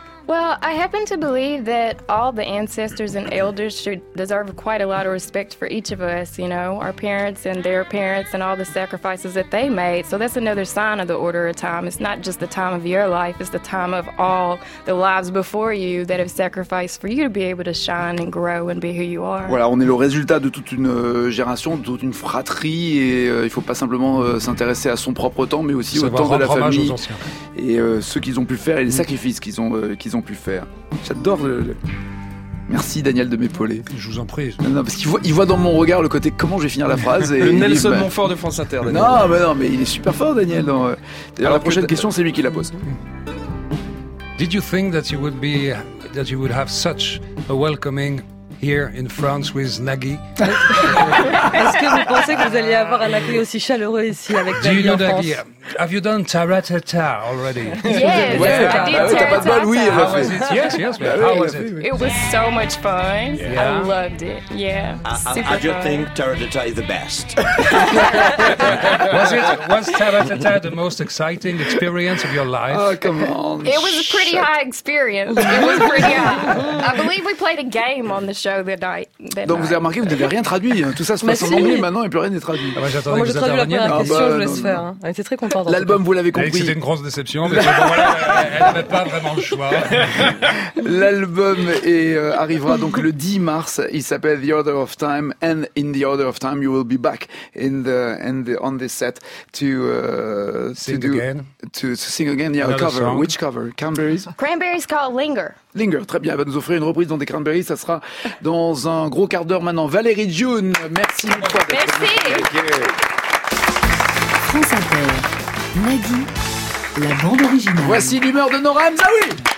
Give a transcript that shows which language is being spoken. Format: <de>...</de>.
<en>Well, I happen to believe that all the ancestors and elders should deserve quite a lot of respect for each of us, you know, our parents and their parents and all the sacrifices that they made. So that's another sign of the order of time. It's not just the time of your life, it's the time of all the lives before you that have sacrificed for you to be able to shine and grow and be who you are.</en> <fr>Voilà, on est le résultat de toute une génération, de toute une fratrie, et il faut pas simplement s'intéresser à son propre temps, mais aussi au temps de la famille. Et ce qu'ils ont pu faire et les sacrifices qu'ils ont pu faire. J'adore Merci Daniel de m'épauler. Je vous en prie. Non, parce qu'il voit dans mon regard le côté comment je vais finir la phrase. Et le Nelson Montfort de France Inter, Daniel. Non, mais il est super fort, Daniel. D'ailleurs, la prochaine question, c'est lui qui la pose.</fr> <en>Did you think that you would be that you would have such a welcoming here in France with Nagui?</en> <fr>Est-ce que vous pensez que vous alliez avoir un accueil aussi chaleureux ici avec Nagui?</fr> <en>Do you know Nagui? Have you done Taratata already? Yes, I did Taratata. Yes, how was it? It was so much fun. Yeah. I loved it. Yeah. I do think Taratata is the best. Was Taratata the most exciting experience of your life? Oh, come on. It was a pretty high experience. It was pretty high. I believe we played a game on the show that night.</en> <fr>Donc vous avez remarqué, vous n'avez rien traduit. Tout ça se passe en anglais maintenant et plus rien n'est traduit. Moi, j'ai traduit la première question, je laisse faire. Elle était très contente. L'album, vous l'avez compris. C'était une grosse déception, mais bon, voilà, elle n'avait pas vraiment le choix. L'album est, arrivera donc le 10 mars. Il s'appelle</fr> <en>The Order of Time, and in The Order of Time, you will be back on this set to sing again. Yeah, another cover. Song. Which cover? Cranberries. Cranberries called Linger. Linger.</en> <fr>Très bien. Elle va nous offrir une reprise dans des Cranberries. Ça sera dans un gros quart d'heure maintenant. Valérie June, merci beaucoup. Merci. France Inter, Nagui, la bande originale. Voici l'humeur de Nora Hamzaoui.</fr>